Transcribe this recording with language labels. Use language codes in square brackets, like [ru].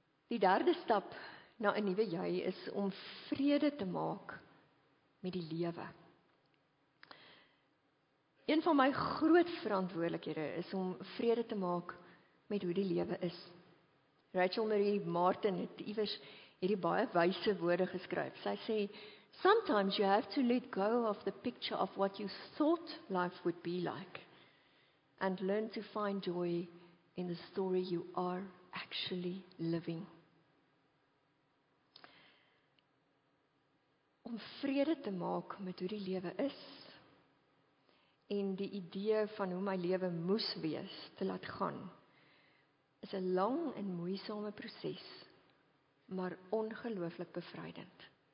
[af] Die derde stap na 'n nuwe jy is om vrede te maak met die lewe. Een van my groot verantwoordelikhede is om vrede te maak met hoe die lewe is. Rachel Marie Martin het iewers hierdie baie wyse woorde geskryf. Sy sê, [en] sometimes you have to let go of the picture of what you thought life would be like and learn to find joy in the story you are actually living. [af] Om vrede te maak met hoe die lewe is en die idee van hoe my lewe moes wees te laat gaan, is 'n lang en moeisame proses, maar ongelooflik bevrydend.